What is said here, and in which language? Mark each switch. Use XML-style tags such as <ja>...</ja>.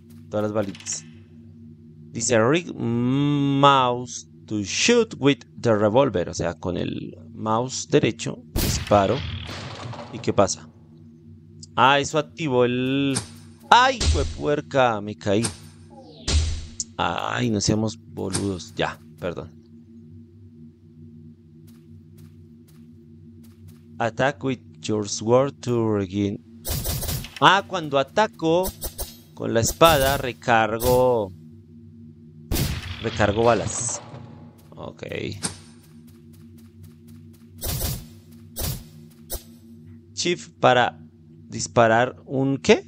<es>Todas las balitas. Dice</es> <en>Rick Mouse to shoot with the revolver.</en> <es>O sea, con el mouse derecho. Paro. ¿Y qué pasa? Ah, eso activó el. ¡Ay, fue puerca! Me caí. Ay, no seamos boludos. Ya, perdón.</es> <en>Attack with your sword to regain.</en> <es>Ah, cuando ataco con la espada, recargo. Recargo balas. Ok. Shift para disparar un ¿qué?</es>